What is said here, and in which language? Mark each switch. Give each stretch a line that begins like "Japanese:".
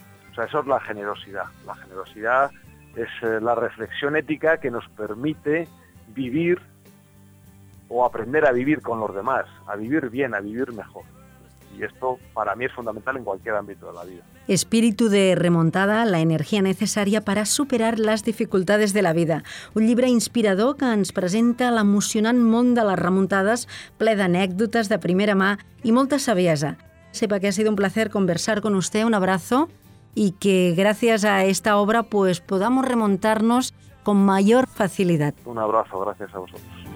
Spanish: O sea, eso es la generosidad. La generosidad es la reflexión ética que nos permite vivir o aprender a vivir con los demás, a vivir bien, a vivir mejor. Y esto para mí es fundamental en cualquier ámbito de la vida.
Catalan: Espíritu de remontada, la energía necesaria para superar les dificultats de la vida. Un llibre inspirador que ens presenta l'emocionant món de les remuntades, ple d'anècdotes de primera mà i molta saviesa.
Spanish: Sepa que ha sido un placer conversar con usted, un abrazo, y que gracias a esta obra pues podamos remontarnos con mayor facilidad. Un abrazo, gracias a vosotros.